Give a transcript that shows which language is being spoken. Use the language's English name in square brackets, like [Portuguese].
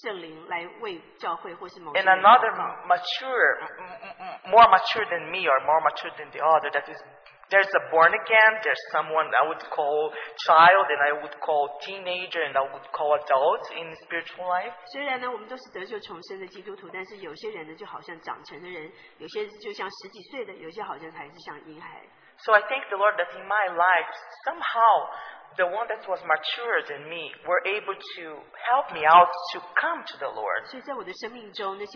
[Chinese] 他们会有那个负担，是借着圣灵来为教会或是某些。 [English] And another mature, more mature than me or more mature than the other, that is. There's a born again, there's someone I would call child, and I would call teenager, and I would call adult in spiritual life. [Chinese] 虽然呢，我们都是得救重生的基督徒，但是有些人呢，就好像长成的人，有些就像十几岁的，有些好像才是像婴孩。So [English] I thank the Lord that in my life, somehow, the one that was mature than me were able to help me out to come to the Lord.